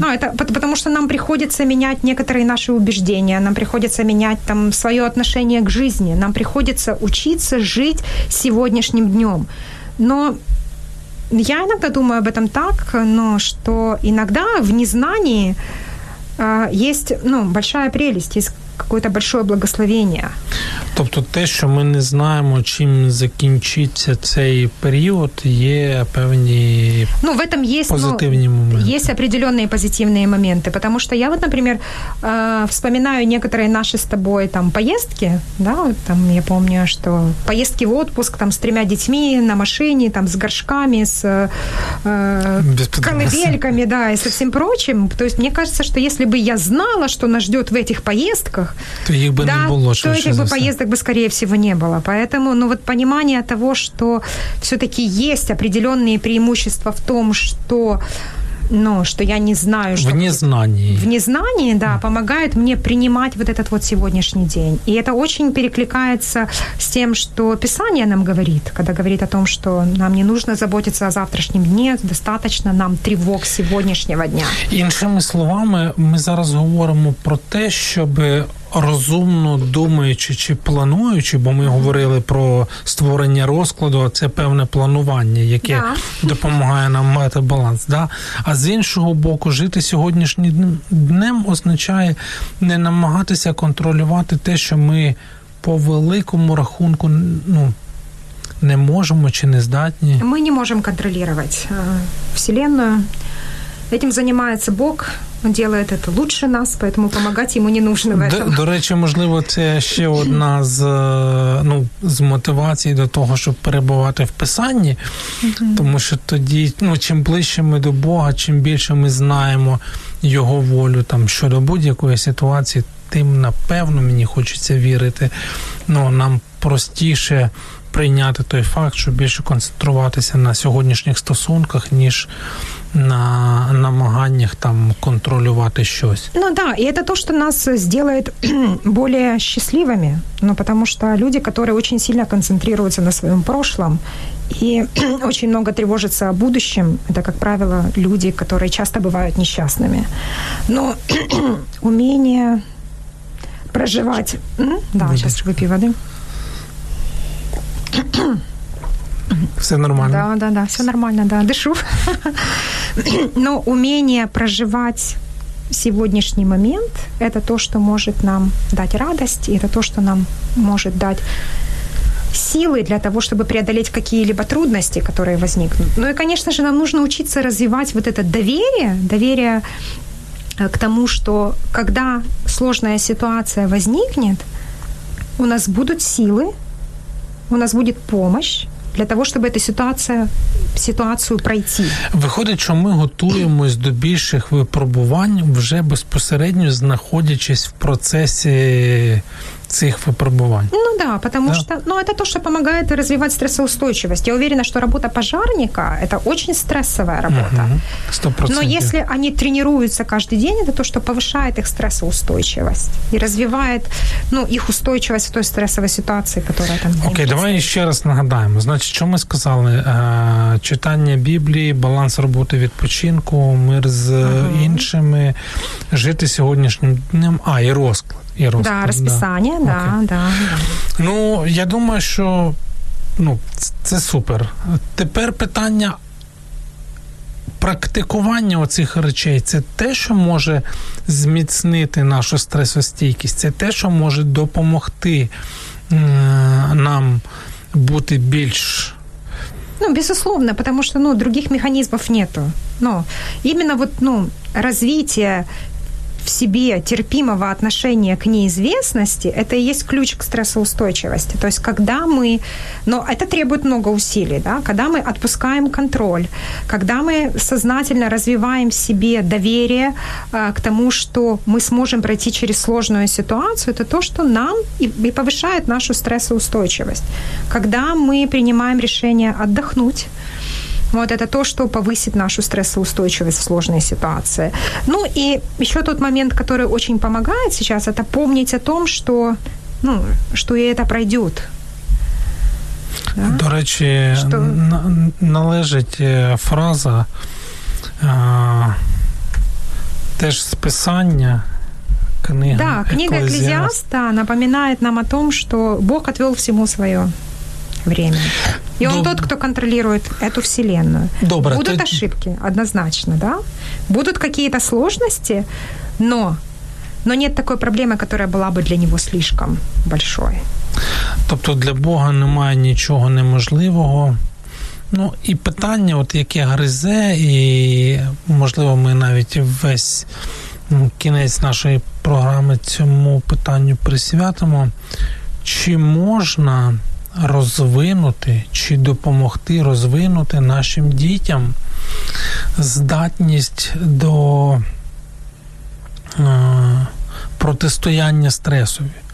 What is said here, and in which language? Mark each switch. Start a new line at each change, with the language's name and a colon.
Russian: Но это потому что нам приходится менять некоторые наши убеждения, нам приходится менять там свое отношение к жизни, нам приходится учиться жить сегодняшним днем. Но я иногда думаю об этом так, но что иногда в незнании есть, ну, большая прелесть, есть какое-то большое благословение.
Ukrainian: Тобто те, що ми не знаємо, чим закінчиться цей період, є певні,
Russian: ну, в этом есть
Ukrainian: позитивні моменти.
Russian: Есть определенные позитивные моменты, потому что я вот, например, вспоминаю некоторые наши с тобой там поездки, да, вот, там я помню, что поездки в отпуск там с тремя детьми на машине, там с горшками, с колыбельками, да, и со всем прочим. То есть мне кажется, что если бы я знала, что нас ждет в этих поездках, то их бы, да, не было, то этих бы поездок бы, скорее всего, не было. Поэтому, ну, вот понимание того, что все-таки есть определенные преимущества в том, что, ну, что я не знаю... В незнании. В незнании, да, помогает мне принимать вот этот вот сегодняшний день. И это очень перекликается с тем, что Писание нам говорит, когда говорит о том, что нам не нужно заботиться о завтрашнем дне, достаточно нам тревог сегодняшнего дня.
Ukrainian: Иншими словами, мы зараз говорим про те, чтобы... розумно думаючи чи плануючи, бо ми говорили про створення розкладу, а це певне планування, яке допомагає нам мати баланс. Да? А з іншого боку, жити сьогоднішнім днем означає не намагатися контролювати те, що ми по великому рахунку, ну, не можемо чи не здатні. Ми не можемо контролювати Вселенную.
Russian: Этим занимается Бог, он делает это лучше нас, поэтому помогать ему не нужно в этом.
Ukrainian: До речі, можливо, це ще одна з, ну, з мотивацій до того, щоб перебувати в Писанні, тому що тоді, ну, чим ближче ми до Бога, чим більше ми знаємо його волю там щодо будь-якої ситуації, тим, напевно, мені хочеться вірити, ну, нам простіше прийняти той факт, щоб більше концентруватися на сьогоднішніх стосунках, ніж на намаганнях там контролювати щось.
Russian: Ну да, и это то, что нас сделает более счастливыми, ну, потому что люди, которые очень сильно концентрируются на своем прошлом и очень много тревожатся о будущем, это, как правило, люди, которые часто бывают несчастными. Но умение проживать... Да, сейчас выпью воды. Все нормально. Да, да, да, все нормально, да, дышу. Но умение проживать сегодняшний момент – это то, что может нам дать радость, и это то, что нам может дать силы для того, чтобы преодолеть какие-либо трудности, которые возникнут. Ну и, конечно же, нам нужно учиться развивать вот это доверие, доверие к тому, что когда сложная ситуация возникнет, у нас будут силы, у нас будет помощь, для того,
Ukrainian: щоб цю ситуацію пройти. Виходить, що ми готуємось до більших випробувань, вже безпосередньо знаходячись в процесі цих випробувань.
Russian: Ну да, потому что, ну, это то, что помогает развивать стрессоустойчивость. Я уверена, что работа пожарника – это очень стрессовая работа. 100%. Но если они тренируются каждый день, это то, что повышает их стрессоустойчивость и развивает, ну, их устойчивость в той стрессовой ситуации, которая там. Окей, давай еще раз нагадаем. Значит, что мы сказали? Читание Библии, баланс работы,
Ukrainian: відпочинку, мир с іншими, жити сьогоднішнім днем, и розклад.
Russian: Да, расписание, да, да, да.
Ukrainian: Ну, я думаю, що, ну, це супер. Тепер питання практикування оцих речей – це те, що може зміцнити нашу стресостійкість, це те, що може допомогти нам бути більш...
Russian: Ну, безусловно, потому що, ну, других механізмів нету. Ну, іменно вот, ну, развитие в себе терпимого отношения к неизвестности, это и есть ключ к стрессоустойчивости. То есть, когда мы... Но это требует много усилий, да? Когда мы отпускаем контроль, когда мы сознательно развиваем в себе доверие к тому, что мы сможем пройти через сложную ситуацию, это то, что нам и повышает нашу стрессоустойчивость. Когда мы принимаем решение отдохнуть, вот это то, что повысит нашу стрессоустойчивость в сложной ситуации. Ну и еще тот момент, который очень помогает сейчас, это помнить о том, что, ну, что и это пройдет. Да?
Ukrainian: До речі, належить фраза теж з писання. Книга,
Russian: да, книга Екклезиаста напоминает нам о том, что Бог отвел всему свое время. И он тот, кто контролирует эту вселенную. Будут ошибки, однозначно, да? Будут какие-то сложности, но нет такой проблемы, которая была бы для него слишком большой.
Ukrainian: Тобто для Бога немає нічого неможливого. Ну, і питання, от яке гризе, і, можливо, ми навіть весь кінець нашої програми цьому питанню присвятимо. Чи можна розвинути, чи допомогти розвинути нашим дітям здатність до протистояння стресові?